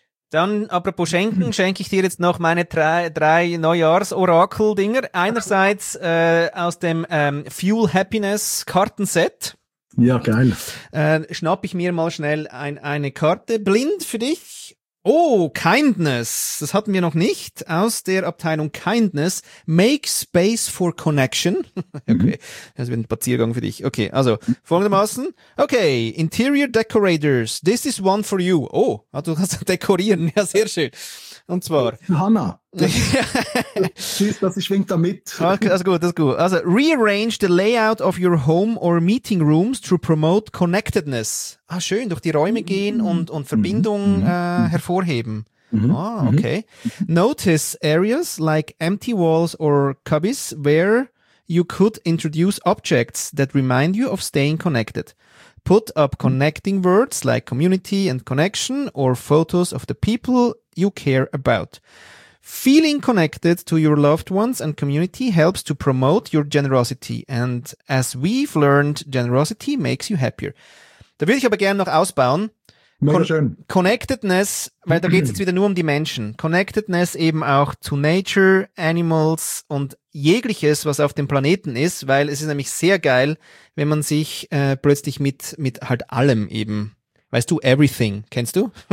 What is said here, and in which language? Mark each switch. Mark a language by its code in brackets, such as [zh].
[de] Dann, apropos schenken, schenke ich dir jetzt noch meine drei Neujahrs-Orakel-Dinger. Einerseits aus dem Fuel Happiness Kartenset. Ja, geil. Schnapp ich mir mal schnell eine Karte. Blind für dich. Oh, Kindness. Das hatten wir noch nicht. Aus der Abteilung Kindness. [en] Make space for connection. [de] Okay, das wird ein Spaziergang für dich. Okay, also folgendermaßen. [en] Okay, Interior Decorators. This is one for you. [de] Oh, du kannst dekorieren. Ja, sehr schön. Und zwar... Hanna. Tschüss, das schwingt da mit. Okay, das ist gut. Also, [en] rearrange the layout of your home or meeting rooms to promote connectedness. [de] Ah, schön, durch die Räume gehen und Verbindung hervorheben. Mm-hmm. Ah, okay. Mm-hmm. [en] Notice areas like empty walls or cubbies where you could introduce objects that remind you of staying connected. Put up connecting words like community and connection or photos of the people you care about. Feeling connected to your loved ones and community helps to promote your generosity. And as we've learned, generosity makes you happier. [de] Da würde ich aber gerne noch ausbauen. Connectedness, weil da geht es jetzt wieder nur um die Menschen. Connectedness eben auch zu Nature, Animals und jegliches, was auf dem Planeten ist, weil es ist nämlich sehr geil, wenn man sich plötzlich mit halt allem eben, weißt du, [en] everything, [de] kennst du?